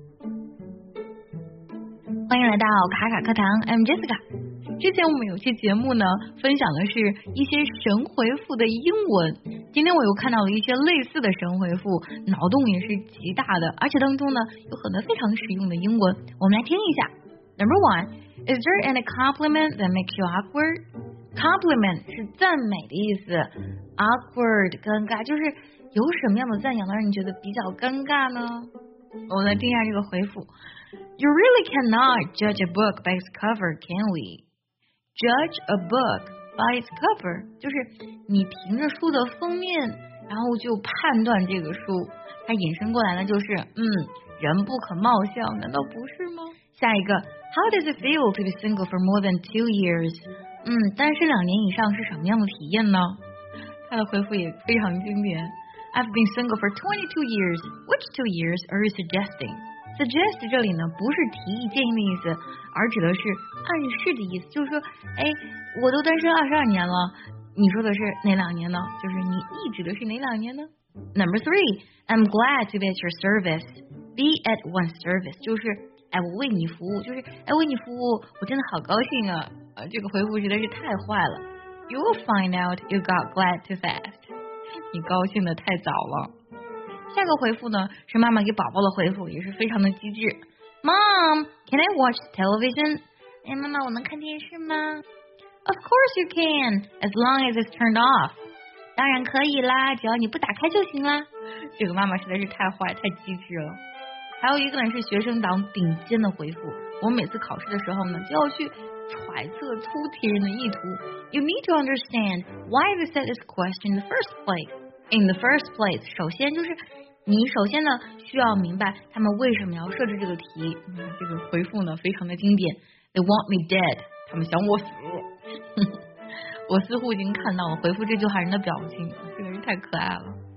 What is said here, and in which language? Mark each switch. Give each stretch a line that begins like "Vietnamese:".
Chinese: 欢迎来到卡卡课堂 ，
English: I'm Jessica。
Chinese: 之前我们有些节目呢，分享的是一些神回复的英文。今天我又看到了一些类似的神回复，脑洞也是极大的，而且当中呢有很多非常实用的英文。我们来听一下。
English: Number one, is there any compliment that makes you awkward?
Chinese: Compliment 是赞美的意思 ，awkward 尴尬，就是有什么样的赞扬让你觉得比较尴尬呢？我们来听一下这个回复。
English: You really cannot judge a book by its cover, can we? Judge a book by its cover,
Chinese: 就是你凭着书的封面，然后就判断这个书。它引申过来呢，就是人不可貌相，难道不是吗？下一个
English: ，How does it feel to be single for more than 2 years?
Chinese: 单身两年以上是什么样的体验呢？他的回复也非常经典。
English: I've been single for 22 years. Which 2 years are you suggesting?
Chinese: Suggest 这里呢不是提意建议的意思，而指的是暗示的意思，就是说，哎，我都单身22年了，你说的是哪两年呢？就是你意指的是哪两年呢
English: ？Number three, I'm glad to be at your service. Be at one service
Chinese: 就是哎我为你服务，就是哎为你服务，我真的好高兴啊！这个回复实在是太坏了。
English: You will find out you got glad too fast.
Chinese: 你高兴的太早了。下个回复呢是妈妈给宝宝的回复，也是非常的机智。
English: Mom, can I watch television?
Chinese: 哎，妈妈，我能看电视吗
English: ？Of course you can, as long as it's turned off.
Chinese: 当然可以啦，只要你不打开就行啦。这个妈妈实在是太坏，太机智了。还有一个呢是学生党顶尖的回复，我每次考试的时候呢就要去揣测出题人的意图。
English: You need to understand why they said this question in the first place. In the first place,
Chinese: 首先就是你首先呢需要明白他们为什么要设置这个题。这个回复呢非常的经典。
English: They want me dead.
Chinese: 他们想我死。我似乎已经看到了回复这句话人的表情，这个人太可爱了。